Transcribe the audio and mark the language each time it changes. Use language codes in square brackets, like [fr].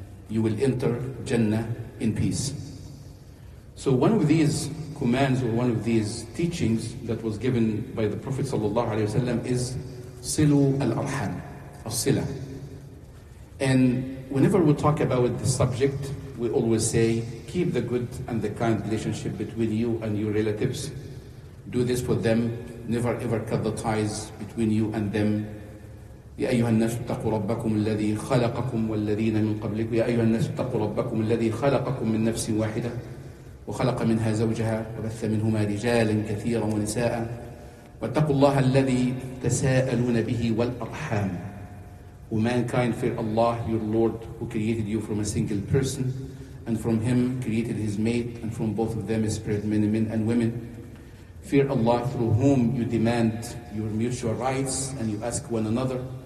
[en] You will enter Jannah in peace. So one of these commands or one of these teachings that was given by the Prophet صلى الله عليه وسلم is صلوا الأرحام, الصلة. And whenever we talk about the subject, we always say, keep the good and the kind relationship between you and your relatives. Do this for them. Never ever cut the ties between you and them. [ar] يا أيها الناس اتقوا ربكم الذي خلقكم والذين من قبلكم. يا أيها الناس اتقوا ربكم الذي خلقكم من نفس واحدة وخلق منها زوجها وبث منهما رجالا كثيرا ونساء. واتقوا الله الذي تساءلون به والأرحام. [en] O mankind, fear Allah, your Lord, who created you from a single person, and from him created his mate, and from both of them spread many men and women. Fear Allah, through whom you demand your mutual rights, and you ask one another.